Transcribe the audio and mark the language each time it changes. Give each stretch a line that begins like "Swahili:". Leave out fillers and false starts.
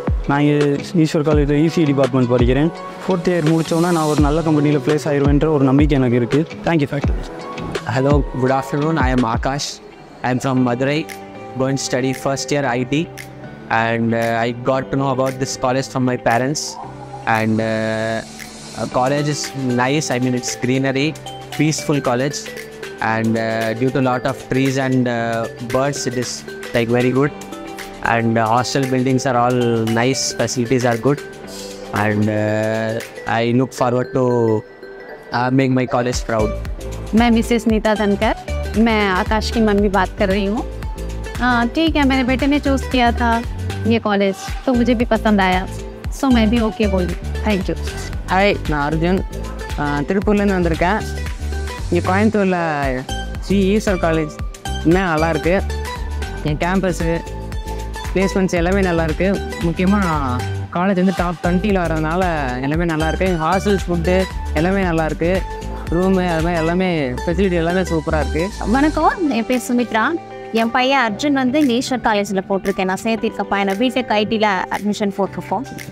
Tamil: நான் இங்கே ஈஸ்வர் காலேஜில் இசி டிபார்ட்மெண்ட் படிக்கிறேன். 4th இயர் முடித்தோன்னா நான் ஒரு நல்ல கம்பெனியில் பிளேஸ் ஆயிடுவேன்ற ஒரு நம்பிக்கை எனக்கு இருக்குது.
English: Thank you. Fact. Hello, good afternoon. I am Akash. I am from Madurai. Going study 1st year IT. And I got to know about this college from my parents. And College is nice. I mean, it's greenery, peaceful college. And due to a lot of trees and birds, it is like very good. And hostel buildings are all nice. Facilities are good. And I look forward to make my college proud.
Hindi: मैं Mrs Nita धनकर, मैं आकाश की mummy बात कर रही हूँ। ठीक है, मेरे बेटे ने चूज किया था ये कॉलेज, तो मुझे भी पसंद आया, सो मैं भी ओके बोल रही हूँ। Thank you. हाय, मैं अर्जुन, तिरुपुर से
Tamil: வந்திருக்கேன்.
Hindi: ये कोयंबटूर श्री ईश्वर कॉलेज में
Tamil: நல்லா இருக்கு.
Hindi: ये कैंपस प्लेसमेंट्स
Tamil: எல்லாமே நல்லா இருக்கு. முக்கியமா காலேஜ் வந்து டாப் 20ல வரதுனால எல்லாமே நல்லா இருக்கு. ஹாஸ்டல் ஃபுட்டு எல்லாமே நல்லா இருக்கு. ரூமு அது மாதிரி எல்லாமே ஃபெசிலிட்டி எல்லாமே சூப்பராக இருக்குது. வணக்கம், என் பேர் சுமித்ரா. என் பையன் அர்ஜுன் வந்து ஈஸ்வர் காலேஜில் போட்டிருக்கேன். நான் சேர்த்திருக்க பையனை பிடெக் ஐடியில் அட்மிஷன் போட்டிருப்போம்.